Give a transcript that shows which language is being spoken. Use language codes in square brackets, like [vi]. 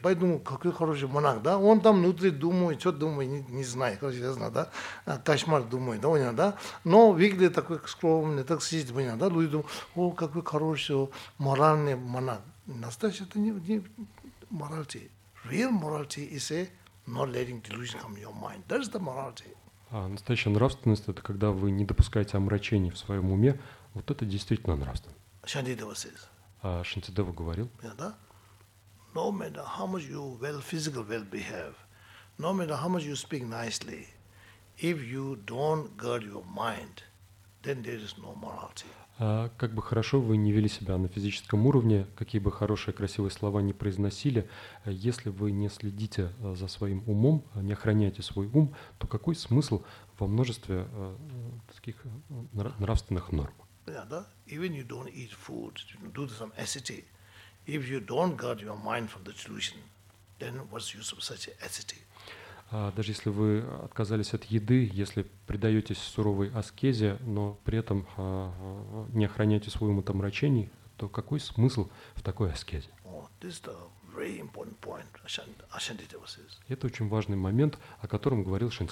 [ru] Поэтому какой хороший монах, да? Он там внутри думает, что думает, не знает. Короче, я знаю, да? Кошмар думает, да, понятно, да? Но выглядит такой скромный, так сидит, понятно, да? Люди думают, о, какой хороший моральный монах. Настоящий это не моральти. [en] Real morality is a not letting delusion come in your mind. That is the morality. [ru] А настоящая нравственность – это когда вы не допускаете омрачений в своем уме. Вот это действительно нравственность. [en] Шантидева says. [ru] Шантидева говорил. [en] Yeah, да? No matter how much you well physical well behave, no matter how much you speak nicely, if you don't guard your mind, then there is no morality. [ru] Как бы хорошо вы не вели себя на физическом уровне, какие бы хорошие, красивые слова не произносили, если вы не следите за своим умом, не охраняете свой ум, то какой смысл во множестве таких нравственных норм? [en] Yeah, да? Even you don't eat food, do some acidity. If you don't guard your mind from the delusion, then what's use of such acidity? [ru] Даже если вы отказались от еды, если предаетесь суровой аскезе, но при этом не охраняете свой ум от омрачений, то какой смысл в такой аскезе? Это очень важный момент, о котором говорил